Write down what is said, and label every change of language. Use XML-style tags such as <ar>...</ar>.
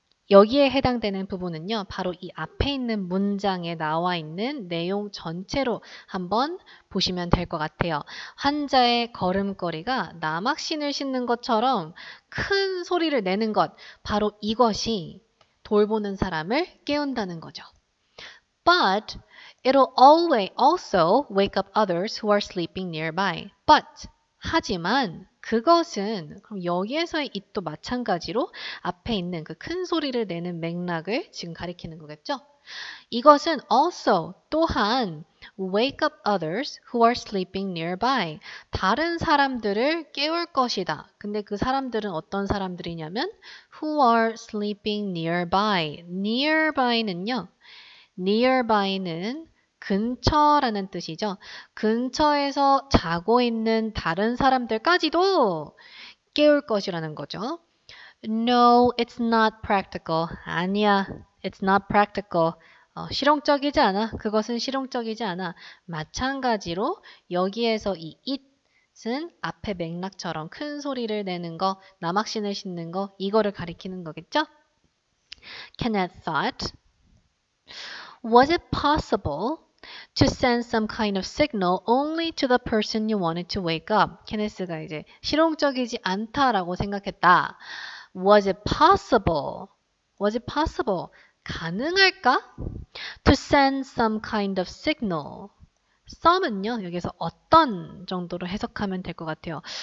<ko>여기에 해당되는 부분은요, 바로 이 앞에 있는 문장에 나와 있는 내용 전체로 한번 보시면 될 것 같아요. 환자의 걸음걸이가 나막신을 신는 것처럼 큰 소리를 내는 것, 바로 이것이 돌보는 사람을 깨운다는 거죠.</ko> <en>But it'll always also wake up others who are sleeping nearby.</en> <ko>But, 하지만 그것은, 그럼 여기에서의 it도 마찬가지로 앞에 있는 그 큰 소리를 내는 맥락을 지금 가리키는 거겠죠? 이것은</ko> <en>also,</en> <ko>또한</ko> <en>wake up others who are sleeping nearby.</en> <ko>다른 사람들을 깨울 것이다. 근데 그 사람들은 어떤 사람들이냐면</ko> <en>who are sleeping nearby.</en> <ko>Nearby는요, nearby는 근처라는 뜻이죠. 근처에서 자고 있는 다른 사람들까지도 깨울 것이라는 거죠.</ko> <en>No, it's not practical.</en> <ko>아니야,</ko> <en>it's not practical.</en> <ko>실용적이지 않아. 그것은 실용적이지 않아. 마찬가지로 여기에서 이 it은 앞에 맥락처럼 큰 소리를 내는 거, 나막신을 신는 거, 이거를 가리키는 거겠죠?</ko> <en>Kenneth thought, Was it possible to send some kind of signal only to the person you wanted to wake up?</en> <ko>케네스가 이제 실용적이지 않다라고 생각했다.</ko> <en>Was it possible? Was it possible?</en> <ko>가능할까?</ko> <en>To send some kind of signal.</en> <ko>Some은요, 여기서 어떤 정도로 해석하면 될 것 같아요.</ko>